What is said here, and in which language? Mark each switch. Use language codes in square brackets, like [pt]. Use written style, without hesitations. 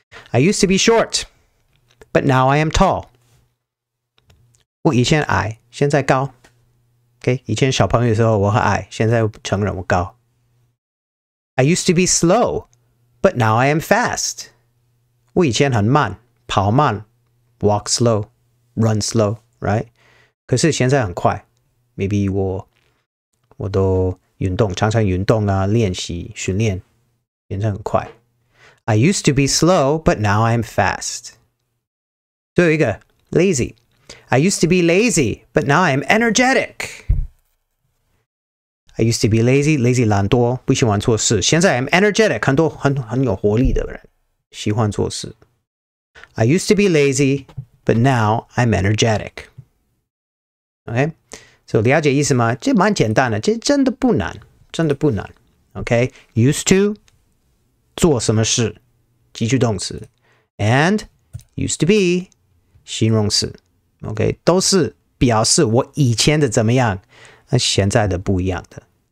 [en] I used to be short, but now I am tall. [zh] 我以前矮，现在高。 Okay, 以前小朋友的时候我很矮，现在成人我高。 [en] I used to be slow, but now I am fast. [zh] 我以前很慢，跑慢。 [en] Walk slow, run slow, right? [zh] 可是现在很快。Maybe 我都运动，常常运动啊，练习训练，变成很快。 [en] I used to be slow, but now I'm fast. [zh] 最后一个 [en] lazy. I used to be lazy, but now I'm energetic. I used to be lazy, lazy [zh] 懒惰，不喜欢做事。现在 [en] I'm energetic, [zh] 很有活力的人，喜欢做事。 [en] I used to be lazy, but now I'm energetic. Okay, so [zh] 了解意思吗？这蛮简单的，这真的不难，真的不难。 [en] Okay, used to [zh] 做什么事，基础动词 [en] ，and used to be [zh] 形容词。 Okay, 都是表示我以前的怎么样，那现在的不一样的。